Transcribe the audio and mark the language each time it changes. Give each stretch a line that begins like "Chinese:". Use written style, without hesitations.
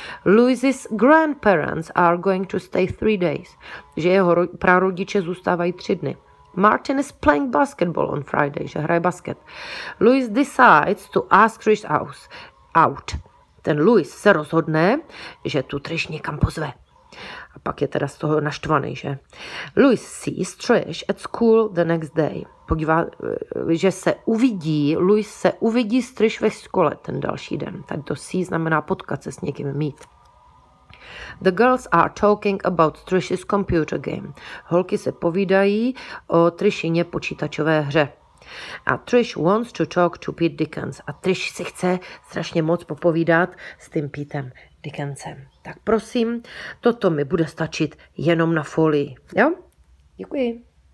English: Louis's grandparents are going to stay 3 days.
Czech: Že jeho prarodiče zůstávají 3 dny.
English: Martin is playing basketball on Friday.
Czech: Že hraje basket.
English: Louis decides to ask Trish out.
Czech: Ten Louis se rozhodne, že tu Trish někam pozve. A pak je teda z toho naštvaný, že?
English: Louis sees Trish at school the next day.
Czech: Podívá, že se uvidí, Louis se uvidí s Trish ve škole ten další den. Tak to see znamená potkat se s někým, meet.
English: The girls are talking about Trish's computer game.
Czech: Holky se povídají o Trishině počítačové hře.
English: A Trish wants to talk to Pete Dickens.
Czech: A Trish si chce strašně moc popovídat s tím Petem Dickensem. Tak prosím, toto mi bude stačit jenom na folii. Jo? Děkuji.